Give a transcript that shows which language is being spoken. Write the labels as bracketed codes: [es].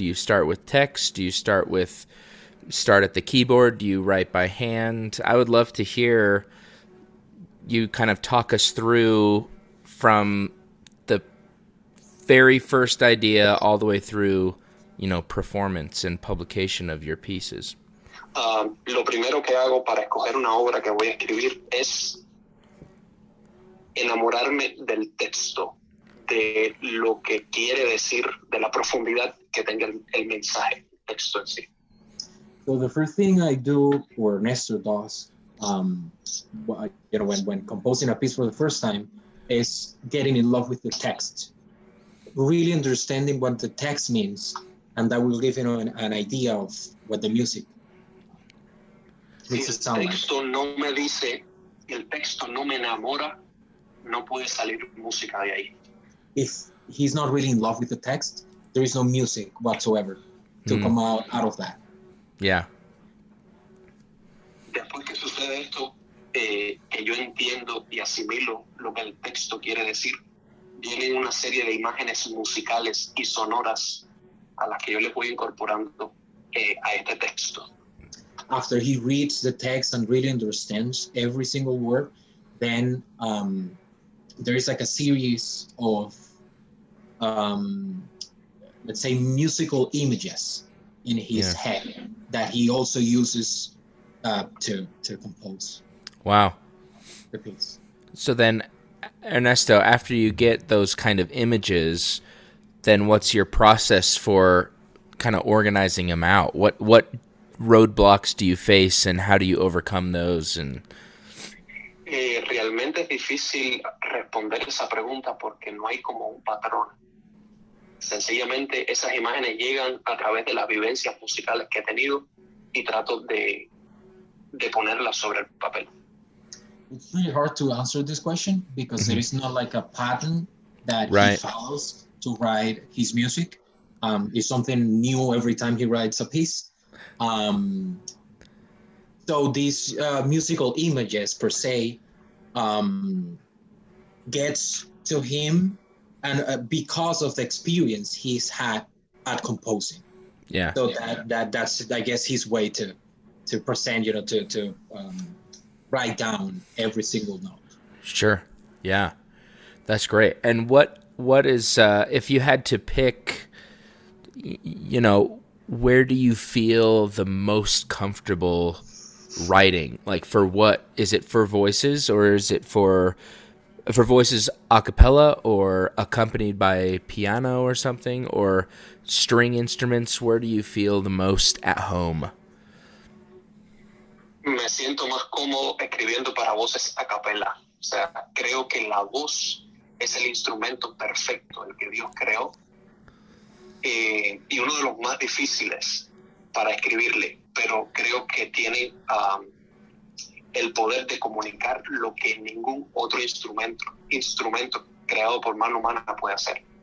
[en] Do you start with text? Do you start at the keyboard? Do you write by hand? I would love to hear you kind of talk us through from the very first idea all the way through, you know, performance and publication of your pieces. [es] Lo primero que hago para escoger una obra que voy a escribir es enamorarme del texto. De lo que quiere decir, de la profundidad que tenga el mensaje, el texto en sí. [en] So the first thing I do, or Nestor does, when composing a piece for the first time, is getting in love with the text. Really understanding what the text means, and that will give you an idea of what the music needs to sound like. [es] El texto no me enamora, no puede salir música de ahí. [en] If he's not really in love with the text, there is no music whatsoever to come out of that. Yeah. [es] Después que sucede esto, que yo entiendo y asimilo lo que el texto quiere decir, vienen una serie de imágenes musicales y sonoras a las que yo le voy incorporando a este texto. [en] after he reads the text and really understands every single word, then there is like a series of, let's say, musical images in his head that he also uses to compose. Wow. The piece. So then, Ernesto, after you get those kind of images, then what's your process for kind of organizing them out? What roadblocks do you face, and how do you overcome those? And [es] realmente es difícil responder esa pregunta porque no hay como un patrón. Sencillamente esas imágenes llegan a través de las vivencias musicales que he tenido y trato de ponerlas sobre el papel. [en] It's really hard to answer this question because there is not like a pattern that he follows to write his music. It's something new every time he writes a piece. So these musical images per se gets to him, and because of the experience he's had at composing. Yeah. So yeah. That's I guess his way to present, you know, to write down every single note. Sure. Yeah. That's great. And what is if you had to pick, you know, where do you feel the most comfortable writing? Like, for what? Is it for voices, or is it for voices a cappella, or accompanied by piano or something, or string instruments? Where do you feel the most at home? [es] Me siento más cómodo escribiendo para voces a cappella. O sea, creo que la voz es el instrumento perfecto, el que Dios creó. Y uno de los más difíciles para escribirle, pero creo que tiene el poder de comunicar lo que ningún otro instrumento creado por mano humana puede hacer.